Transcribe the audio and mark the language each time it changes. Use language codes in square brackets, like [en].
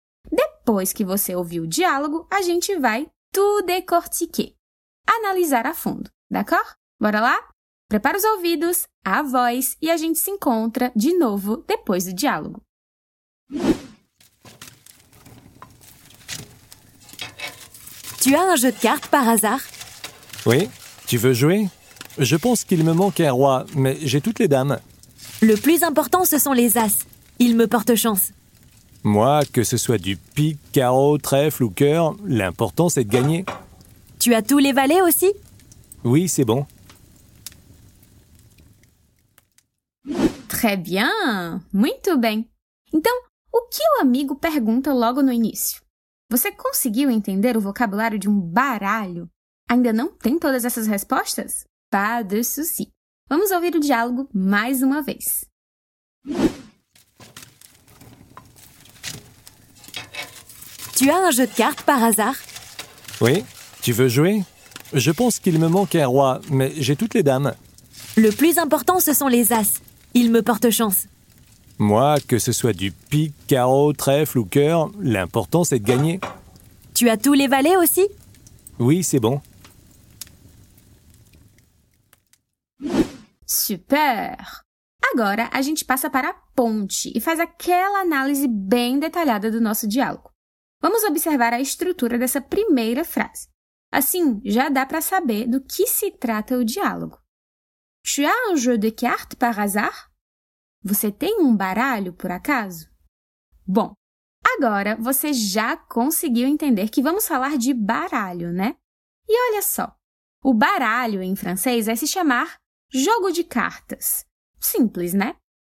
[pt] Depois que você ouvir o diálogo, a gente vai [fr] tout décortiquer, [pt] analisar a fundo, [fr] d'accord? [pt] Bora lá? Prepara os ouvidos, a voz e a gente se encontra de novo depois do diálogo. [fr] Tu as un jeu de cartes par hasard? Oui, tu veux jouer? Je pense qu'il me manque un roi, mais j'ai toutes les dames. Le plus important, ce sont les as. Ils me portent chance. Moi, que ce soit du pique, carreau, trèfle ou cœur, l'important, c'est de gagner. Tu as tous les valets aussi? Oui, c'est bon. Très bien, [pt] muito bem. Então, o que o amigo pergunta logo no início? Você conseguiu entender o vocabulário de um baralho? Ainda não tem todas essas respostas? [fr] Pas de souci. [pt] Vamos ouvir o diálogo mais uma vez. [fr] Tu as un jeu de cartes par hasard? Oui, tu veux jouer? Je pense qu'il me manque un roi, mais j'ai toutes les dames. Le plus important, ce sont les as. Ils me portent chance. Moi, que ce soit du pique, carreau, trèfle ou cœur, l'important, c'est de gagner. Tu as tous les valets aussi? Oui, c'est bon. Super! [pt] Agora, a gente passa para a ponte e faz aquela análise bem detalhada do nosso diálogo. Vamos observar a estrutura dessa primeira frase. Assim, já dá para saber do que se trata o diálogo. [fr] Tu as un jeu de cartes par hasard? [pt] Você tem um baralho, por acaso? Bom, agora você já conseguiu entender que vamos falar de baralho, né? E olha só, o baralho em francês vai se chamar jogo de cartas. Simples, né?